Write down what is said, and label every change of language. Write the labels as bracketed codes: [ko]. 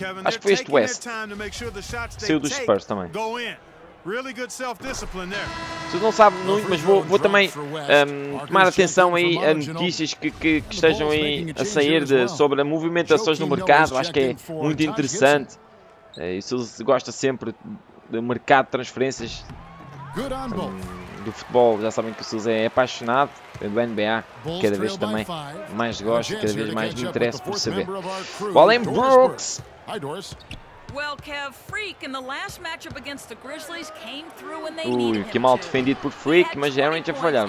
[pt] Acho que foi este West, saiu dos Spurs também. Vocês não sabem muito, mas vou também tomar atenção aí a notícias que estejam aí a sair sobre movimentações no mercado, acho que é muito interessante. Isso gosta sempre do mercado de transferências do futebol. Já sabem que o Sousa é apaixonado do NBA. Cada vez também mais gosto, cada vez mais me interessa por saber. Valen Brooks! [en] well, Kev. Freak, in the last matchup against the Grizzlies, came through when they needed him. [pt] Que mal defendido por Freak, mas Aaron tinha falhado.